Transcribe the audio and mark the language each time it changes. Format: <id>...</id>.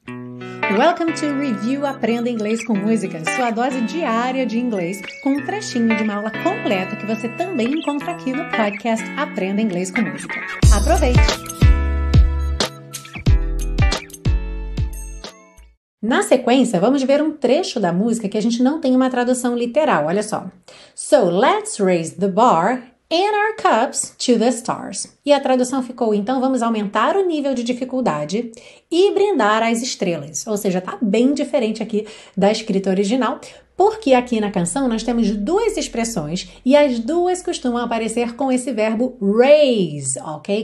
<en>Welcome to</en> <pt>Review Aprenda Inglês com Música, sua dose diária de inglês, com um trechinho de uma aula completa que você também encontra aqui no podcast Aprenda Inglês com Música. Aproveite! Na sequência, vamos ver um trecho da música que a gente não tem uma tradução literal, olha só.</pt> <en>So, let's raise the bar and our cups to the stars.</en> <pt>E a tradução ficou, então vamos aumentar o nível de dificuldade e brindar às estrelas. Ou seja, tá bem diferente aqui da escrita original, porque aqui na canção nós temos duas expressões e as duas costumam aparecer com esse verbo raise, ok?</pt>